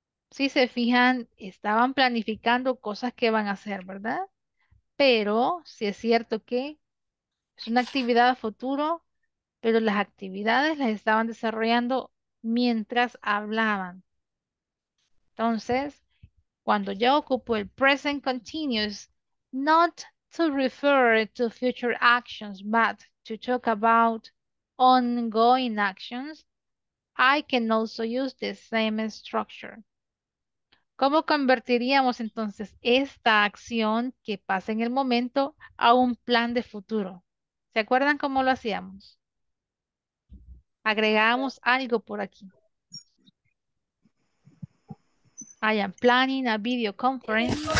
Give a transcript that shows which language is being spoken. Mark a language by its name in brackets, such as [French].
[Spanish] Si se fijan, estaban planificando cosas que van a hacer, ¿verdad? Pero sí es cierto que es una actividad a futuro, pero las actividades las estaban desarrollando mientras hablaban. Entonces, cuando yo ocupo el [English] present continuous, not to refer to future actions, but to talk about ongoing actions, I can also use the same structure. [Spanish] ¿Cómo convertiríamos entonces esta acción que pasa en el momento a un plan de futuro? ¿Se acuerdan cómo lo hacíamos? Agregábamos algo por aquí. [English] I am planning a video conference.